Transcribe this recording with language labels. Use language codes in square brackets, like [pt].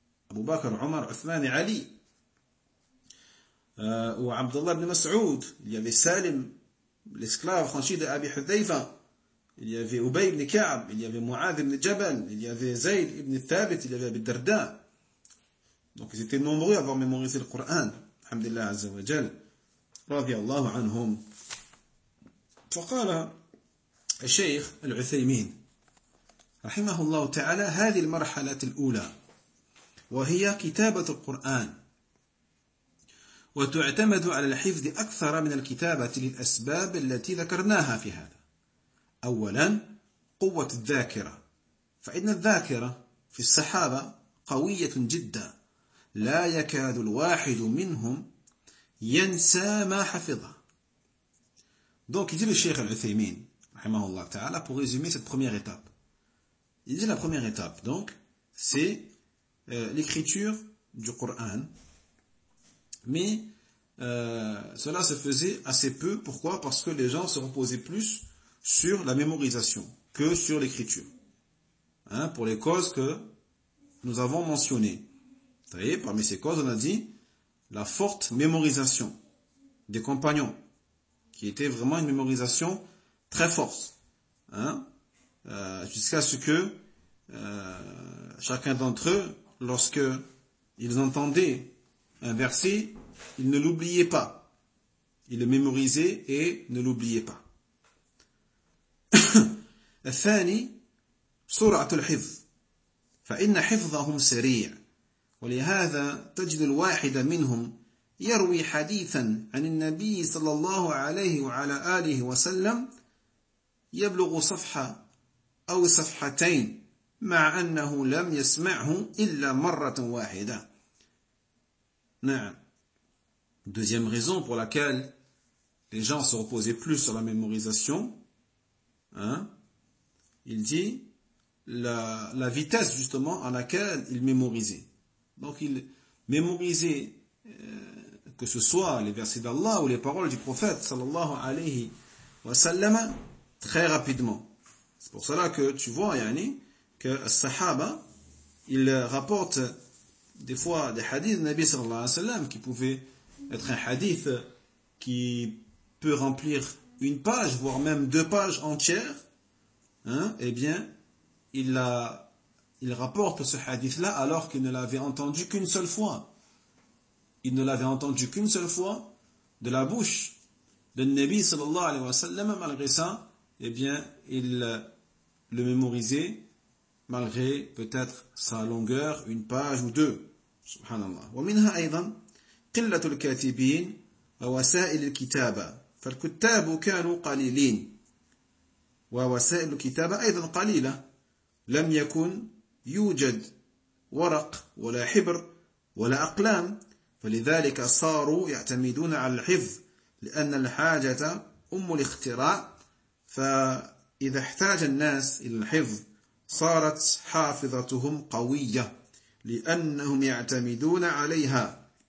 [fr] Abu Bakr, Omar, Uthman et Ali. Ou Abdullah ibn Mas'ud. Il y avait Salim, l'esclave franchi de Abi Hudhayfa. Il y avait Ubay ibn Ka'b. Il y avait Mu'adh ibn Jabal. Il y avait Zayd ibn Thabit. Il y avait Abi Darda. Donc ils étaient nombreux à avoir mémorisé le Coran. [ar] Alhamdulillah Azza wa Jal. Radiallahu anhum. Faqala al-Sheikh al-Uthaymin رحمه الله تعالى هذه المرحلة الأولى وهي كتابة القرآن وتعتمد على الحفظ أكثر من الكتابة للأسباب التي ذكرناها في هذا. أولا قوة الذاكرة، فإن الذاكرة في الصحابة قوية جدا، لا يكاد الواحد منهم ينسى ما حفظه. دونك يجيب الشيخ العثيمين رحمه الله تعالى [fr] pour résumer cette première étape. Il dit la première étape, donc, c'est l'écriture du Coran. Mais cela se faisait assez peu. Pourquoi ? Parce que les gens se reposaient plus sur la mémorisation que sur l'écriture. Hein, pour les causes que nous avons mentionnées. Vous voyez, parmi ces causes, on a dit la forte mémorisation des compagnons, qui était vraiment une mémorisation très forte, hein, jusqu'à ce que chacun d'entre eux, lorsque ils entendaient un verset, ils ne l'oubliaient pas. Ils le mémorisaient et ne l'oubliaient pas. [ar] الثاني سرعة الحفظ فإن حفظهم سريع ولهذا تجد الواحد منهم يروي حديثا عن النبي صلى الله عليه وعلى آله وسلم يبلغ صفحة أو صفحتين مع أنه لم يسمعه إلا مرة واحدة. نعم. [fr] Deuxième raison pour laquelle les gens se reposaient plus sur la mémorisation, hein? Il dit la vitesse justement à laquelle il mémorisait. Donc il mémorisait que ce soit les versets d'Allah ou les paroles du prophète sallallahu alayhi wa sallam très rapidement. C'est pour cela que tu vois, yani, que les sahaba, ils rapportent des fois des hadiths du Nabi sallallahu alayhi wa sallam qui pouvaient être un hadith qui peut remplir une page, voire même deux pages entières. Hein, eh bien, il rapporte ce hadith-là alors qu'il ne l'avait entendu qu'une seule fois. Il ne l'avait entendu qu'une seule fois de la bouche de Nabi sallallahu alayhi wa sallam. Malgré ça, eh bien, il le mémorisait malgré peut-être sa longueur, une page ou deux. Subhanallah. [ar] ومنها أيضا قلة الكاتبين ووسائل الكتابة. فالكتاب كانوا قليلين. ووسائل الكتابة أيضا قليلة لم يكن يوجد ورق ولا حبر ولا أقلام فلذلك صاروا يعتمدون على الحفظ لأن الحاجة أم الاختراع فإذا احتاج الناس إلى الحفظ صارت حافظتهم قوية لأنهم يعتمدون عليها